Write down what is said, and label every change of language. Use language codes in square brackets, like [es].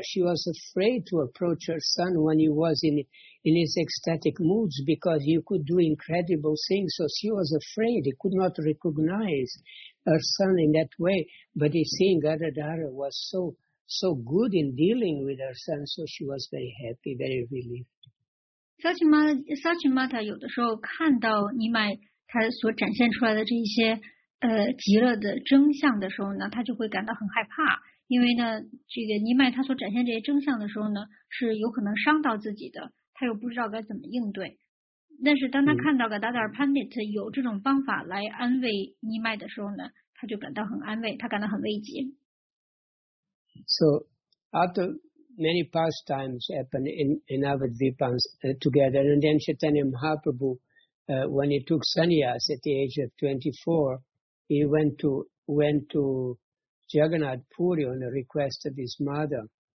[en] She was afraid to approach her son when he was in his ecstatic moods because he could do incredible things. So she was afraid. He could not recognize her son in that way. But he seeing Gadadhara was so good in dealing with her son. So she was very happy, very relieved. [zh] Sachimata 有的时候看到你买他所展现出来的这一些 极乐的真相的时候呢，他就会感到很害怕，因为呢，这个尼麦他所展现这些真相的时候呢，是有可能伤到自己的，他又不知道该怎么应对。但是当他看到个Gadadhar Pandit 有这种方法来安慰尼麦的时候呢，他就感到很安慰，他感到很慰藉。So [en] after many pastimes happened in Navadvipa together, and then Chaitanya Mahaprabhu, when he took sannyas at the age of 24. He went to Jagannath Puri on the request of his mother.